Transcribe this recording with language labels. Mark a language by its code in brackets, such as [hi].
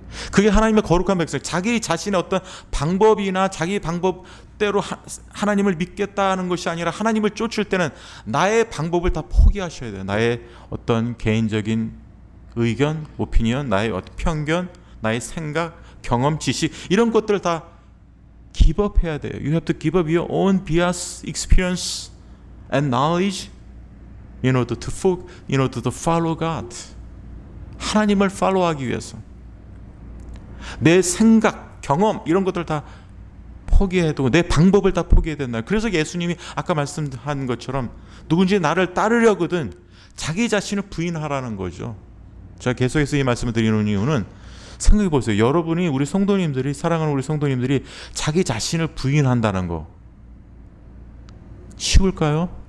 [ko] 그게 하나님의 거룩한 백성, 자기 자신의 어떤 방법이나 자기 방법대로 하나님을 믿겠다는 것이 아니라 하나님을 쫓을 때는 나의 방법을 다 포기하셔야 돼요. 나의 어떤 개인적인 의견, 오피니언, 나의 어떤 편견, 나의 생각, 경험, 지식 이런 것들을 다 give up 해야 돼요. [en] You have to give up your own bias, experience and knowledge in order to follow God. [ko] 하나님을 follow하기 위해서. 내 생각, 경험 이런 것들을 다 포기해도 내 방법을 다 포기해야 된다. 그래서 예수님이 아까 말씀한 것처럼 누군지 나를 따르려거든 자기 자신을 부인하라는 거죠. 제가 계속해서 이 말씀을 드리는 이유는 생각해 보세요. 여러분이 우리 성도님들이 사랑하는 우리 성도님들이 자기 자신을 부인한다는 거 쉬울까요?